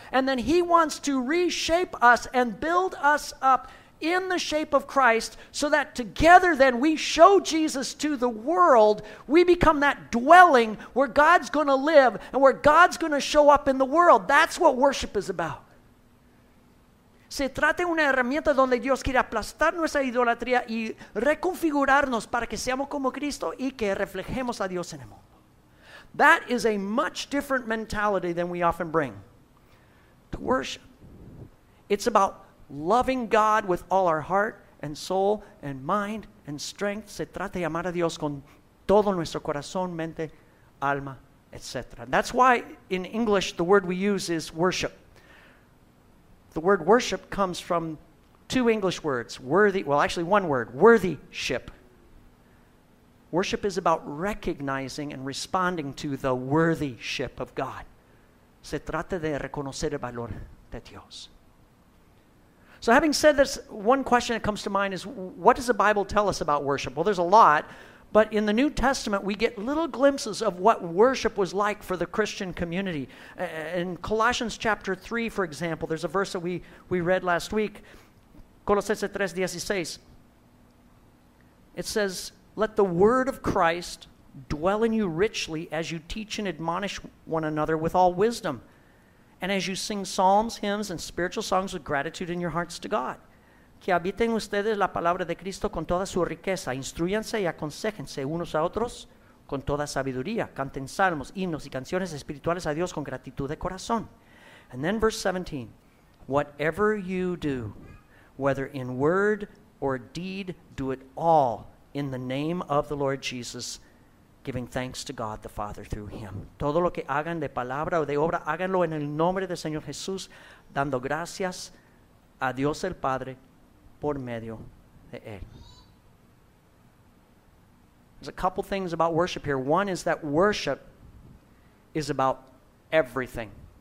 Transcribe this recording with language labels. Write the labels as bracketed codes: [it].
[en] and then he wants to reshape us and build us up in the shape of Christ, so that together then we show Jesus to the world. We become that dwelling where God's going to live and where God's going to show up in the world. That's what worship is about. [es] Se trata de una herramienta donde Dios quiere aplastar nuestra idolatría y reconfigurarnos para que seamos como Cristo y que reflejemos a Dios en el mundo. [en] That is a much different mentality than we often bring to worship. It's about loving God with all our heart and soul and mind and strength. [es] Se trata de amar a Dios con todo nuestro corazón, mente, alma, etc. [en] That's why in English the word we use is worship. The word worship comes from two English words, worthy, well actually one word, worthyship. Worship is about recognizing and responding to the worthyship of God. [es] Se trata de reconocer el valor de Dios. [en] So having said this, one question that comes to mind is, what does the Bible tell us about worship? Well, there's a lot, but in the New Testament, we get little glimpses of what worship was like for the Christian community. In Colossians chapter 3, for example, there's a verse that we read last week, Colossians 3:16. It says, let the word of Christ dwell in you richly as you teach and admonish one another with all wisdom. And as you sing psalms, hymns, and spiritual songs with gratitude in your hearts to God. [es] Que habiten ustedes la palabra de Cristo con toda su riqueza. Instruyanse y aconsejense unos a otros con toda sabiduría. Canten salmos, himnos, y canciones espirituales a Dios con gratitud de corazón. [en] And then verse 17. Whatever you do, whether in word or deed, do it all in the name of the Lord Jesus, giving thanks to God the Father through him. [es] Todo lo que hagan de palabra o de obra, háganlo en el nombre del Señor Jesús, dando gracias a Dios el Padre por medio de él. [en] There's a couple things about worship here. One is that worship is about everything.